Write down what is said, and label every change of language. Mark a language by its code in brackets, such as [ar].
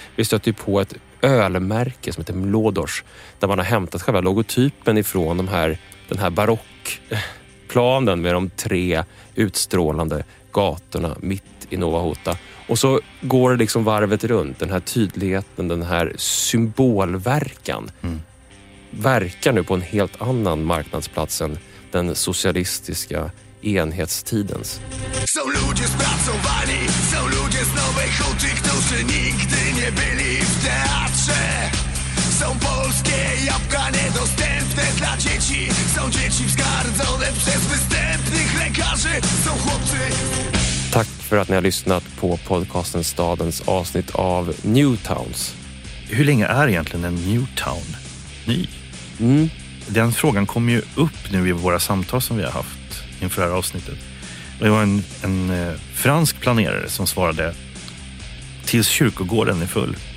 [sv] Vi stöter ju på ett ölmärke som heter Mlodors där man har hämtat själva logotypen ifrån den här barockplanen med de tre utstrålande gatorna mitt i Nova Huta. Och så går liksom varvet runt, den här tydligheten, den här symbolverkan verkar nu på en helt annan marknadsplats än den socialistiska enhetstidens. [pl] Są ludzie spracowani, są ludzie z Nowej Huty, którzy nigdy nie byli w teatrze. Są polskie jabłka niedostępne dla dzieci, są dzieci wzgardzone przez występnych lekarzy, są chłopcy. [sv] Tack för att ni har lyssnat på podcasten Stadens avsnitt av Newtowns. Hur länge är egentligen en Newtown ny? Mm. Den frågan kom ju upp nu i våra samtal som vi har haft inför det här avsnittet. Det var en fransk planerare som svarade tills kyrkogården är full.